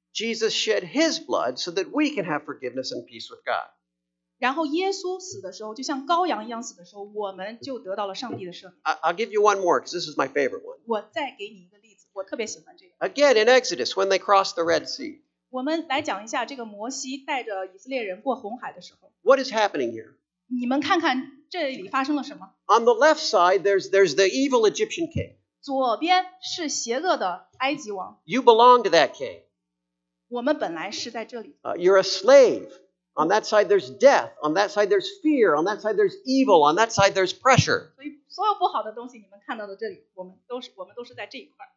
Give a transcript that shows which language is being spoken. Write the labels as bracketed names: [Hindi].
[English] Jesus shed his blood so that we can have forgiveness and peace with God. [Chinese] 然后耶稣死的时候，就像羔羊一样死的时候，我们就得到了上帝的赦免。 [English] I'll give you one more because this is my favorite one. [Chinese] 我再给你一个例子，我特别喜欢这个。 [English] Again, in Exodus, when they crossed the Red Sea. [Chinese] 我们来讲一下这个摩西带着以色列人过红海的时候。 [English] What is happening here? [Chinese] 你们看看这里发生了什么？ [English] On the left side, there's the evil Egyptian king. [Chinese] 左边是邪恶的埃及王。 [English] You belong to that king. [Chinese] 我们本来是在这里。 [English] You're a slave. On that side, there's death. On that side, there's fear. On that side, there's evil. On that side, there's pressure. [Chinese] 所以所有不好的东西，你们看到的这里，我们都是在这一块。